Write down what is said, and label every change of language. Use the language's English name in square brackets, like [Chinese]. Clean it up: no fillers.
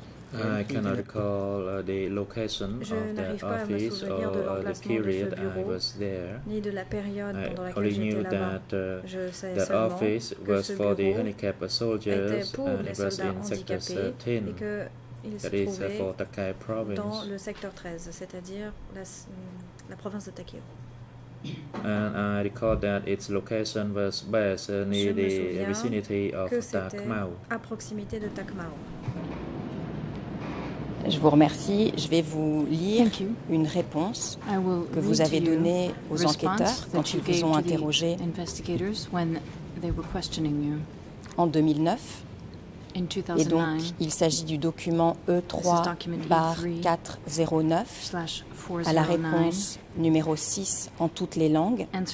[English] I cannot recall the location of the office or the period I was there. [French] Ni de la période pendant laquelle [English] I only knew that the office was for the handicapped soldiers and it was in sector 13, that is for Takai province. [French] Dans le secteur 13, c'est-à-dire la province de Takai. [English] And I recall that its location was based near the vicinity of Takmao. [French] À proximité de Takmao. Je vous remercie. Je vais vous lire une réponse que vous avez donnée aux enquêteurs quand ils vous ont interrogé en 2009. Et donc, il s'agit du document E3/409 à la réponse numéro 6 en toutes les langues.